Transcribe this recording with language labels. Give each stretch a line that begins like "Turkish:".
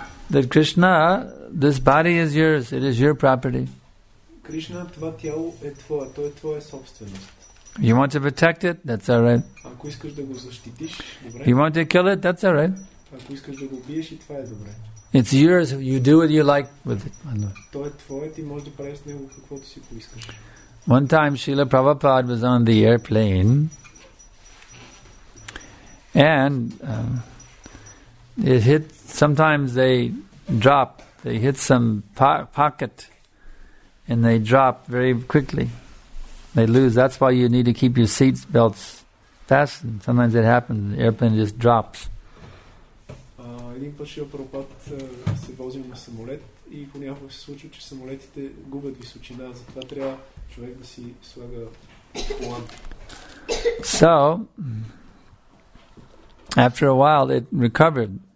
English: That Krishna, this body is yours, it is your property.
Bulgarian: Кришна, това тяло е твое, то е твоя собственост.
English: You want to protect it? That's all right.
Bulgarian: Ако искаш да го защитиш, добре.
English: You want to kill it? That's all right.
Bulgarian: Ако искаш да го убиеш, и това е добре.
English: It's yours. You do what you like with it.
Bulgarian: То е твое, ти можеш да правиш с него каквото си поискаш.
English: One time Srila Prabhupada was on the airplane and it hit, sometimes they drop, they hit some pocket and they drop very quickly. They lose. That's why you need to keep your seat belts fastened. Sometimes it happens, the airplane just drops.
Bulgarian: Един път Шрила Прабхупада се возил на самолет и понякога се случва, че самолетите губят височина, затова трябва човек да си слага план.
English: So, after a while it recovered.